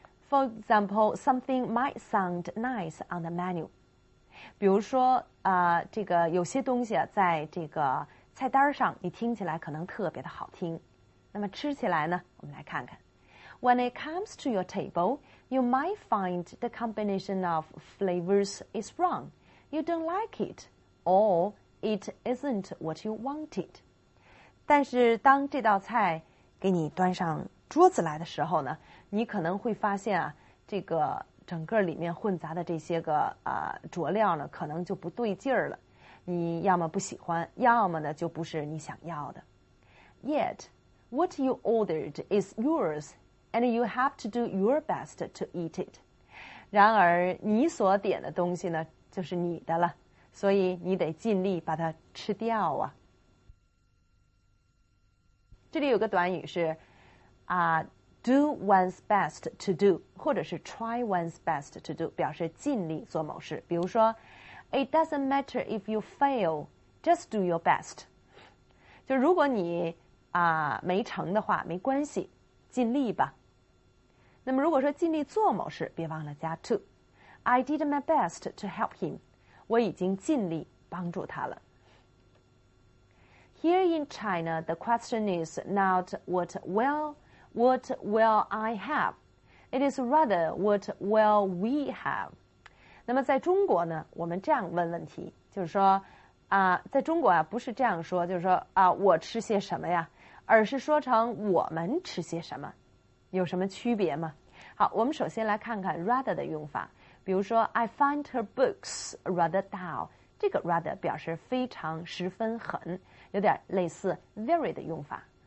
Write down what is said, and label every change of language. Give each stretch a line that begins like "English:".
English: For example, something might sound nice on the menu.
Chinese: 比如说这个有些东西在这个菜单上你听起来可能特别的好听。那么吃起来呢，我们来看看。
English: When it comes to your table, you might find the combination of flavors is wrong. You don't like it, or it isn't what you wanted.
Chinese: 但是当这道菜给你端上桌子来的时候呢，你可能会发现啊，这个整个里面混杂的这些个佐料呢，可能就不对劲儿了。你要么不喜欢，要么呢就不是你想要的。
English: Yet, what you ordered is yours, and you have to do your best to eat it.
Chinese: 然而，你所点的东西呢，就是你的了，所以你得尽力把它吃掉啊。这里有个短语是
English: do one's best to do,
Chinese: 或者是
English: try one's best to do,
Chinese: 表示尽力做某事。比如说
English: ,it doesn't matter if you fail, just do your best.
Chinese: 就如果你没成的话没关系，尽力吧。那么如果说尽力做某事，别忘了加 to。
English: I did my best to help him.
Chinese: 我已经尽力帮助他了。
English: Here in China, the question is not what will I have? It is rather what will we have?
Chinese: 那么在中国呢，我们这样问问题，就是说在中国啊，不是这样说，就是说我吃些什么呀，而是说成我们吃些什么，有什么区别吗？好，我们首先来看看 rather 的用法。比如说
English: I find her books rather dull,
Chinese: 这个 rather 表示非常十分很，有点类似 very 的用法。